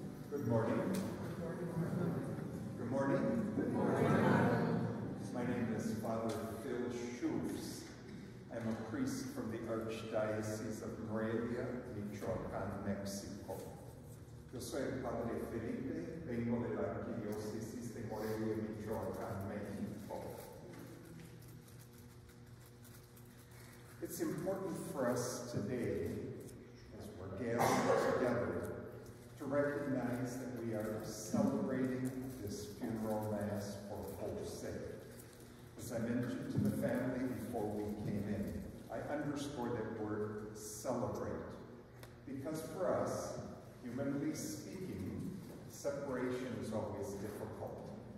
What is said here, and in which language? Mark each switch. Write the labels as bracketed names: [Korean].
[English] Good morning. Good morning. Good morning. Good morning. My name is Father Phil Schultz. I'm a priest from the Archdiocese of Morelia, Michoacán, Mexico. [Spanish] Yo soy el Padre Felipe, vengo de la Arquidiócesis de Morelia, Michoacán, México. [English] It's important for us today, as we're gathered together, to recognize that we are celebrating this funeral mass for Pope Sixt. As I mentioned to the family before we came in, I underscore that word celebrate, because for us, humanly speaking, separation is always difficult.